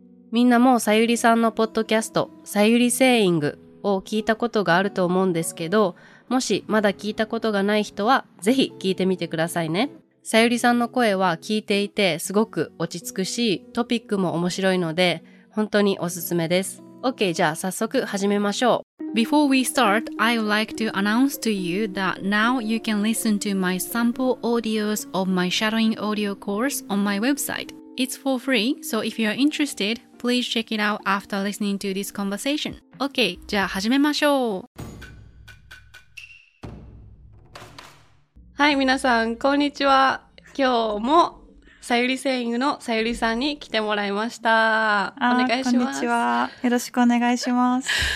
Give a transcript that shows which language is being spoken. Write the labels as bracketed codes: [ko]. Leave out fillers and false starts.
[ja] みんなもさゆりさんのポッドキャスト、さゆりセーイングを聞いたことがあると思うんですけど、もしまだ聞いたことがない人はぜひ聞いてみてくださいね。さゆりさんの声は聞いていてすごく落ち着くし、トピックも面白いので本当におすすめです。 OK、 じゃあ早速始めましょう。 [en] Before we start, I would like to announce to you that now you can listen to my sample audios of my shadowing audio course on my website. It's for free, so if you are interested, please check it out after listening to this conversation. [ja] OK, じゃあ始めましょう。はい、皆さん、こんにちは。今日もさゆりセーイングのさゆりさんに来てもらいました。お願いします。こんにちは。よろしくお願いします。